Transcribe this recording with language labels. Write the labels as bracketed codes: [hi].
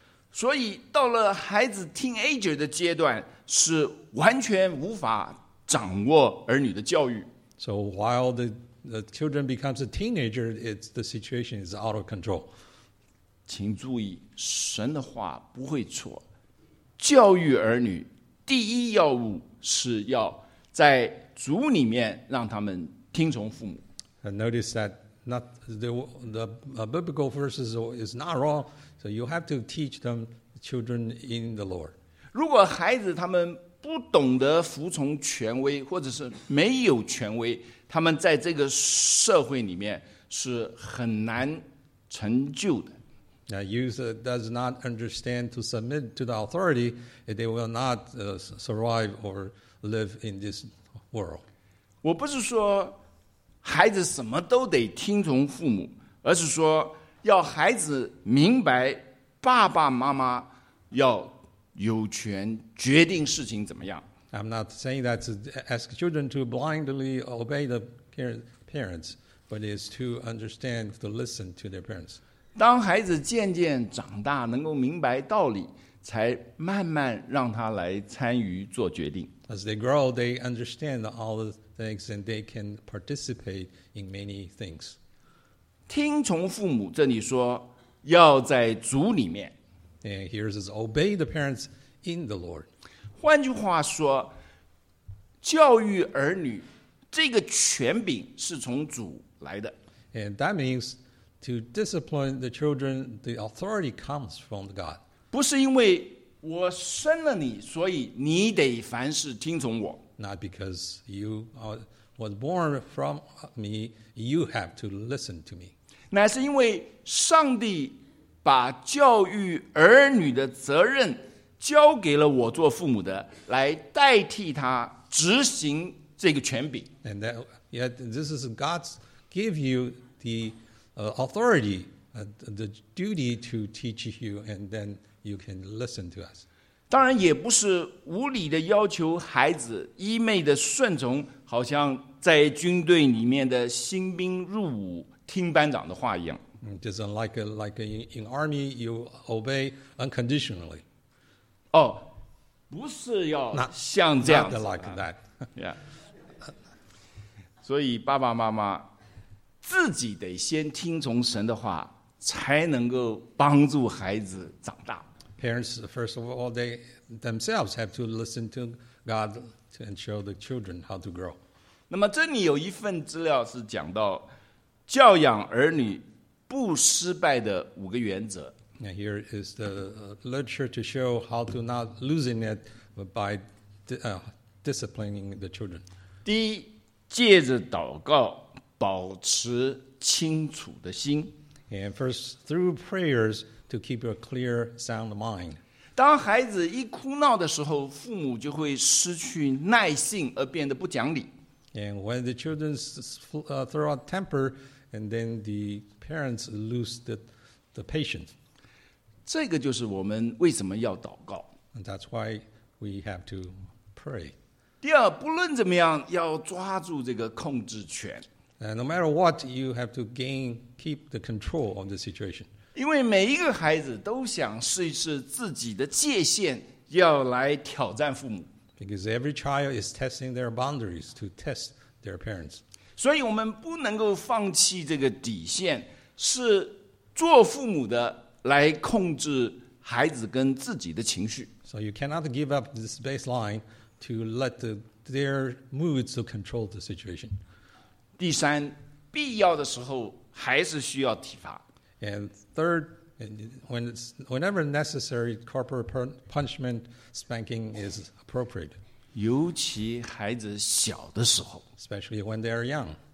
[zh] 所以到了孩子 teenager 的阶段是完全无法掌握儿女的教育。 [en] So while the children becomes a teenager, it's the situation is out of control. [zh] 请注意，神的话不会错。教育儿女第一要务是要在主里面让他们听从父母。 [en] And notice that the biblical verses is not wrong, so you have to teach them children in the Lord. [zh] 如果孩子他们不懂得服从权威，或者是没有权威，他们在这个社会里面是很难成就的。 [en] Now, youth does not understand to submit to the authority, they will not survive or live in this world. [zh] 我不是说孩子什么都得听从父母，而是说要孩子明白爸爸妈妈要有权决定事情怎么样。 [en] I'm not saying that to ask children to blindly obey the parents, but it is to understand to listen to their parents. [zh] 当孩子渐渐长大，能够明白道理，才慢慢让他来参与做决定。 [en] As they grow, they understand all the things and they can participate in many things. [zh] 听从父母，这里说要在主里面。 [en] And here it says, obey the parents in the Lord. [zh] 换句话说，教育儿女这个权柄是从主来的。 [en] And that means to discipline the children, the authority comes from God. [zh] 不是因为我生了你，所以你得凡事听从我。 [en] Not because you was born from me, you have to listen to me. [zh] 乃是因为上帝把教育儿女的责任交给了我做父母的，来代替他执行这个权柄。 [en] And that, yet this is God's give you the authority, the duty to teach you, and then you can listen to us. [zh] 当然也不是无理的要求孩子一昧的顺从，好像在军队里面的新兵入伍听班长的话一样。 [en] Doesn't like a, like a, in army you obey unconditionally. [zh] Oh, 不是要像这样子。 [en] Not like that. Yeah. [zh] 所以爸爸妈妈自己得先听从神的话，才能够帮助孩子长大。 [en] Parents, first of all, they themselves have to listen to God to show the children how to grow. [zh] 那么这里有一份资料是讲到教养儿女不失败的五个原则。 [en] Now here is the literature to show how to not losing it by disciplining the children. [zh] 第一，借着祷告保持清楚的心。 [en] And first, through prayers to keep a clear, sound mind. [zh] 当孩子一哭闹的时候，父母就会失去耐性而变得不讲理。 [en] And when the children throw out temper, and then the parents lose the patience. [zh] 这个就是我们为什么要祷告。 [en] And that's why we have to pray. [zh] 第二，不论怎么样，要抓住这个控制权。 [en] And no matter what, you have to gain, keep the control of the situation. [zh] 因为每一个孩子都想试一试自己的界限，要来挑战父母。 [en] Because every child is testing their boundaries to test their parents. [zh] 所以我们不能够放弃这个底线，是做父母的来控制孩子跟自己的情绪。 [en] So you cannot give up this baseline to let their moods to control the situation. [zh] 第三，必要的时候还是需要体罚。 [en] And third, whenever necessary, corporal punishment, spanking is appropriate. [zh] 尤其孩子小的时候。 [en] Especially when they are young.